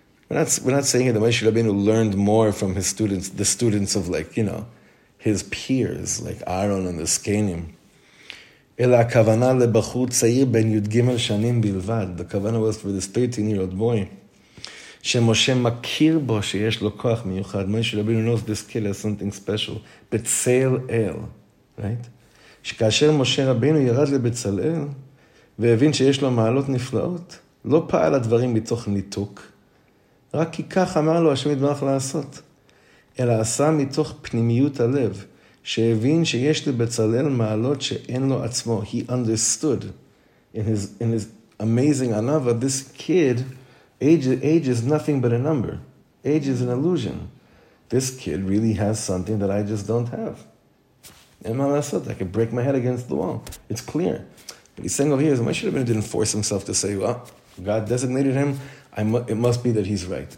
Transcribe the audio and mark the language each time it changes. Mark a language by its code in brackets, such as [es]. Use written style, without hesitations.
[en] We're not saying that Moshe Rabbeinu learned more from his students, the students of like, you know, his peers, like Aaron and the Zkenim. [he] Ela kavana lebachur tzair ben yud gimel shanim bilvad. [en] The kavana was for this 13-year-old boy. [he] Shemoshe makir bo sheyesh lo koach miyuchad. [en] Moshe Rabbeinu knows this kid has something special. Betzel el, right? [he] Shkasher Moshe Rabbeinu yarad lebetzel el, ve'evin sheyesh lo ma'alot niflaot, lo pa'al ha'dvarim mitoch nituk, רק כי כך אמר לו השם יתברך לעשות, אלא עשה מתוך פנימיות הלב, שהבין שיש לבצלאל מעלות שאין לו עצמו. [en] He understood in his amazing anava, this kid, age is nothing but a number. Age is an illusion. This kid really has something that I just don't have. [he] אין מה לעשות, [en] I could break my head against the wall. It's clear. But he's saying over here, Moshe Rabbeinu didn't force himself to say, well, God designated him, it must be that he's right.